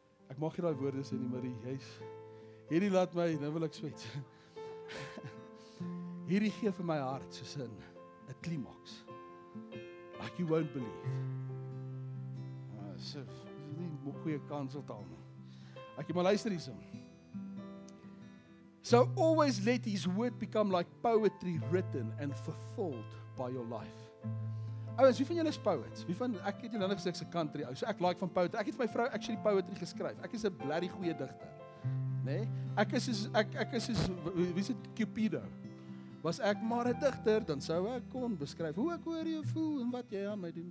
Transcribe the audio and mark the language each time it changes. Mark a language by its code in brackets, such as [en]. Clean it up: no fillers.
[af] Ek mag hier daai woorde sê nie, maar hierdie laat my, nou wil ek swet. Hierdie gee vir my hart soos 'n klimaks. [en] Like you won't believe. [af] So, dis nie 'n goeie kans om te haal. Ek moet luister hiersom. [en] So always let his word become like poetry written and fulfilled by your life. [af] Ouens, wie van julle is poets? Wie van ek het julle gesê ek's 'n country ou. So ek like van poetry. Ek het vir my vrou actually poetry geskryf. Ek is 'n blerry goeie digter. Né? Nee? Ek is soos wie is dit Cupido? Was ek maar 'n digter, dan sou ek kon beskryf hoe ek oor jou voel en wat jy aan my doen.